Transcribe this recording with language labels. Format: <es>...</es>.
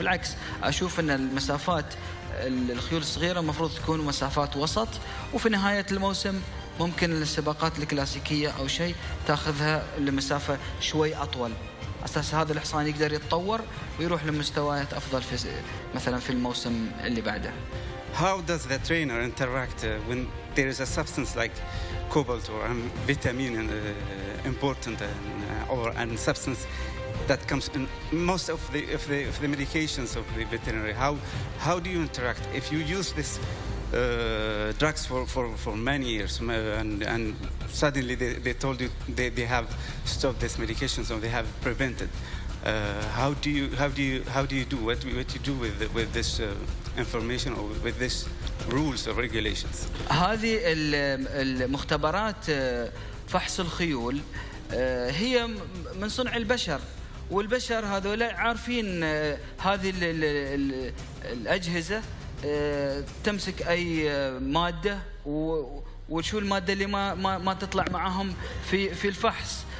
<ar>بالعكس أشوف أن المسافات الخيول الصغيرة مفروض تكون مسافات وسط، وفي نهاية الموسم ممكن السباقات الكلاسيكية أو شيء تأخذها لمسافة شوي أطول أساس هذا الحصان يقدر يتطور ويروح لمستويات أفضل في مثلا في الموسم اللي بعده.</ar> <en>How does the trainer interact when there is a substance like cobalt or vitamin important or a substance that comes in most of the medications of the veterinary? How do you interact if you use this drugs for many years and suddenly they told you they have stopped this medication or they have prevented? How do you do? What do you do with this information or with this rules or regulations?</en> <ar>هذه المختبرات فحص الخيول هي من صنع البشر، والبشر هذول عارفين هذه الأجهزة تمسك أي مادة وشو المادة اللي ما تطلع معهم في الفحص.</ar>